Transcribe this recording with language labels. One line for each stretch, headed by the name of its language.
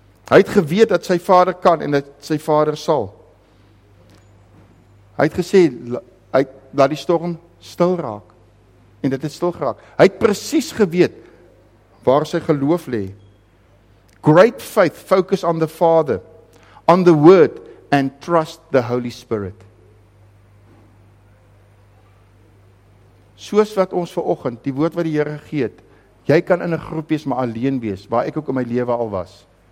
Afrikaans: Hy het geweet dat sy Vader kan en dat sy Vader sal. Hy het gesê, laat die storm stil raak. En dit het stil geraak. Hy het presies geweet waar sy geloof lê.
English: Great faith focus on the Father, on the Word and trust the Holy Spirit.
Afrikaans: Soos wat ons vanoggend die woord wat die Here gee het, jy kan in 'n groep wees, maar alleen wees, waar ek ook in my lewe al was.